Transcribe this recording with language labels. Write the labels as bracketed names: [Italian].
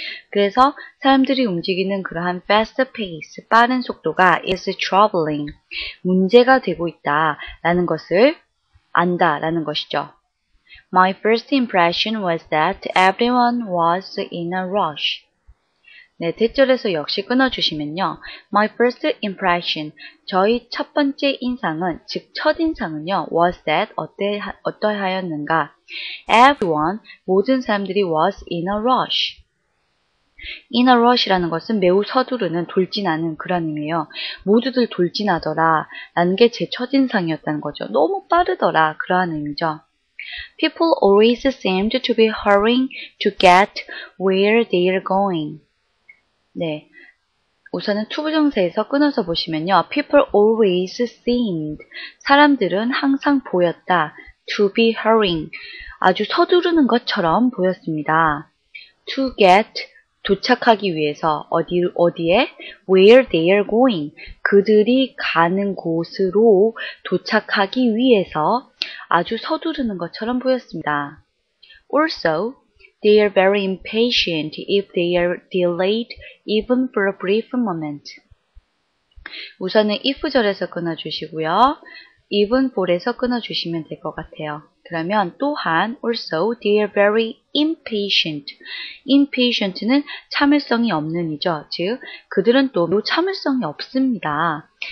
[Korean] 그래서 사람들이 움직이는 그러한 [English] fast pace, [Korean] 빠른 속도가 [English] is troubling, [Korean] 문제가 되고 있다라는 것을 안다라는 것이죠. [English] My first impression was that everyone was in a rush. [Korean] 네, 대절에서 역시 끊어주시면요. [English] My first impression, [Korean] 저희 첫 번째 인상은, 즉 첫 인상은요. [English] Was that, [Korean] 어떠하였는가. [English] Everyone, [Korean] 모든 사람들이 [English] was in a rush. [Korean] In a rush라는 것은 매우 서두르는, 돌진하는 그런 의미예요. 모두들 돌진하더라 라는 게 제 첫 인상이었다는 거죠. 너무 빠르더라 그러한 의미죠. [English] People always seemed to be hurrying to get where they are going. [Korean] 네, 우선은 투부정사에서 끊어서 보시면요. [English] People always seemed, [Korean] 사람들은 항상 보였다. [English] To be hurrying, [Korean] 아주 서두르는 것처럼 보였습니다. [English] To get, [Korean] 도착하기 위해서, 어디에? [English] Where they are going, [Korean] 그들이 가는 곳으로 도착하기 위해서 아주 서두르는 것처럼 보였습니다. [English] Also, they are very impatient if they are delayed even for a brief moment. [Korean] 우선은 if절에서 끊어주시고요. even for에서 끊어주시면 될 것 같아요. 그러면 또한 [English] also they are very impatient. [Korean] impatient는 참을성이 없는이죠. 즉 그들은 또 참을성이 없습니다.